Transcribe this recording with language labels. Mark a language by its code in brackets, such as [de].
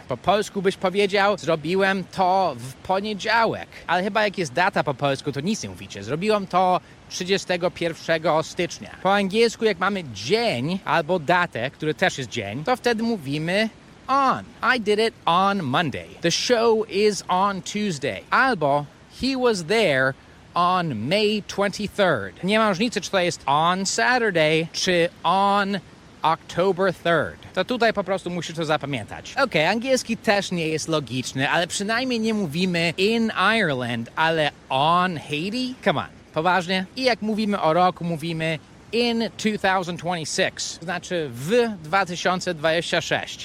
[pl] Po polsku byś powiedział, zrobiłem to w poniedziałek. Ale chyba jak jest data po polsku, to nic nie mówicie. Zrobiłem to 31 stycznia. Po angielsku jak mamy dzień albo datę, który też jest dzień, to wtedy mówimy on. [en] I did it on Monday. The show is on Tuesday. Albo he was there on May 23rd. [pl] Nie ma różnicy, czy to jest [en] on Saturday, [pl] czy [en] on October 3rd. [pl] To tutaj po prostu musisz to zapamiętać. Okej, angielski też nie jest logiczny, ale przynajmniej nie mówimy [en] in Ireland, [pl] ale [en] on Haiti? Come on, [pl] poważnie? I jak mówimy o roku, mówimy [en] in 2026, [pl] to znaczy w 2026.